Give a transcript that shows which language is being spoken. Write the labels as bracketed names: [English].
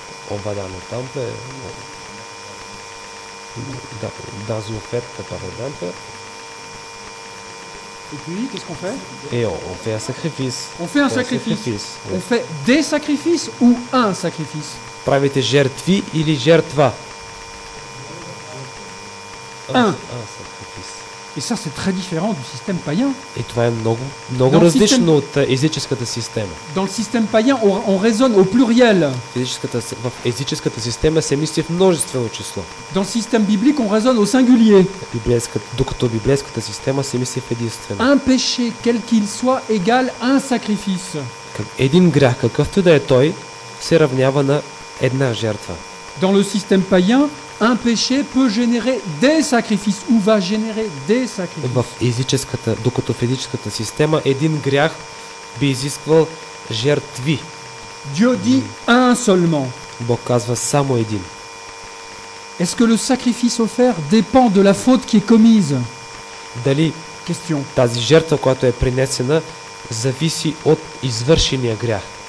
[French] On va dans le temple, dans une fête par exemple. Et puis, qu'est-ce qu'on fait? Et on fait un sacrifice. On fait un sacrifice. On fait des sacrifices ou un sacrifice? [Bulgarian] Правите жертви или жертва? [French] Un sacrifice. Et ça, c'est très différent du système païen. Et toi, [Bulgarian] много различно от езическата система. [French] Dans le système païen, on raisonne au pluriel. [Bulgarian] В езическата система се мисли в множествено число. [French] Dans le système biblique, on raisonne au singulier. [Bulgarian] Докато библейската система се мисли в единствено. [French] Un péché, quel qu'il soit, égale un sacrifice. [Bulgarian] Един грех, какъвто да е той, се равнява на една жертва. [French] Dans le système païen, un péché peut générer des sacrifices ou va générer des sacrifices. [Bulgarian] В езическата, докато в езическата система, един грях би изисквал жертви. [French] Dieu dit un seulement. [Bulgarian] Бог казва само един. [French] Est-ce que le sacrifice offert dépend de la faute qui est commise? [Bulgarian] Дали [French] question. [Bulgarian] Тази жертва, която е принесена, зависи от извършения грях.